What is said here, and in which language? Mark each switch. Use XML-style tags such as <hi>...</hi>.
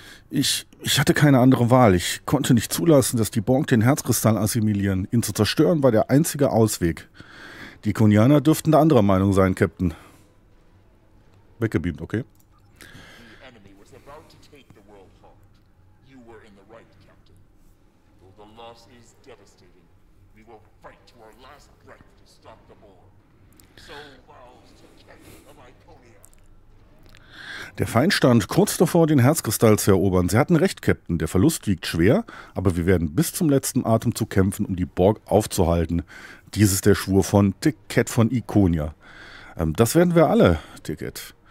<de>Ich hatte keine andere Wahl. Ich konnte nicht zulassen, dass die Borg den Herzkristall assimilieren. Ihn zu zerstören war der einzige Ausweg. Die Konianer dürften der anderer Meinung sein, Captain. Weggebeamt, okay.</de> <en>The enemy was about to take the world heart. You were in the right, Captain. Though the loss is devastating, we will fight to our last breath to stop the Borg. So vows to Captain of Iconia.</en> <de>Der Feind stand kurz davor, den Herzkristall zu erobern. Sie hatten recht, Captain. Der Verlust wiegt schwer, aber wir werden bis zum letzten Atemzug kämpfen, um die Borg aufzuhalten. Dies ist der Schwur von Ticket von Iconia. Das werden wir alle, Ticket.</de>